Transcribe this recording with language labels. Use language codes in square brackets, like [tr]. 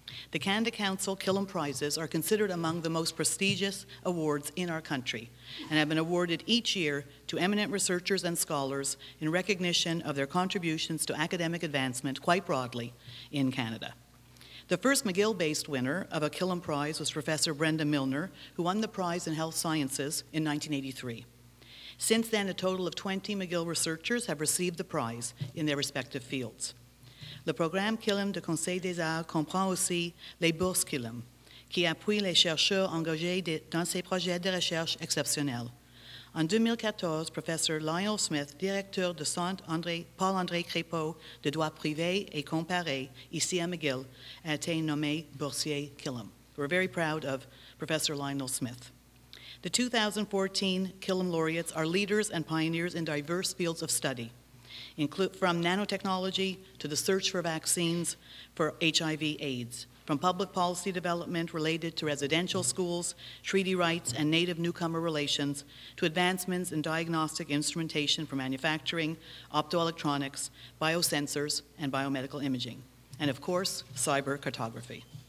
[en] The Canada Council Killam Prizes are considered among the most prestigious awards in our country and have been awarded each year to eminent researchers and scholars in recognition of their contributions to academic advancement quite broadly in Canada. The first McGill-based winner of a Killam Prize was Professor Brenda Milner, who won the prize in health sciences in 1983. Since then, a total of 20 McGill researchers have received the prize in their respective fields. [fr] Le programme Killam de Conseil des Arts comprend aussi les bourses Killam, qui appuient les chercheurs engagés dans ces projets de recherche exceptionnels. En 2014, Professor Lionel Smith, directeur de Centre Paul-André Crépeau de droit privé et comparé ici à McGill, a été nommé boursier Killam. [en] We're very proud of Professor Lionel Smith. The 2014 Killam laureates are leaders and pioneers in diverse fields of study, from nanotechnology to the search for vaccines for HIV/AIDS, from public policy development related to residential schools, treaty rights, and native newcomer relations, to advancements in diagnostic instrumentation for manufacturing, optoelectronics, biosensors, and biomedical imaging, and of course, cyber cartography.